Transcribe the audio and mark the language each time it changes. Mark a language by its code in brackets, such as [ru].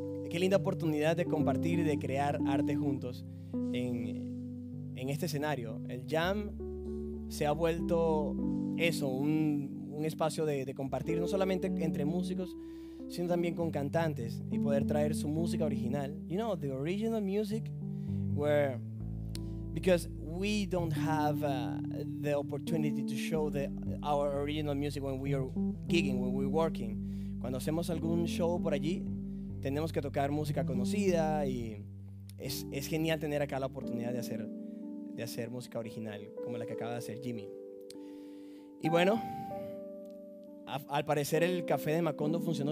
[es] Qué linda oportunidad de compartir y de crear arte juntos en este escenario. El Jam se ha vuelto eso, un espacio de compartir, no solamente entre músicos, sino también con cantantes, y poder traer su música original. [en] You know, the original music, where, because we don't have the opportunity to show our original music when we are gigging, when we're working. [es] Cuando hacemos algún show por allí, tenemos que tocar música conocida, y es genial tener acá la oportunidad de hacer música original como la que acaba de hacer Jimmy. Y bueno, al parecer el café de Macondo funcionó.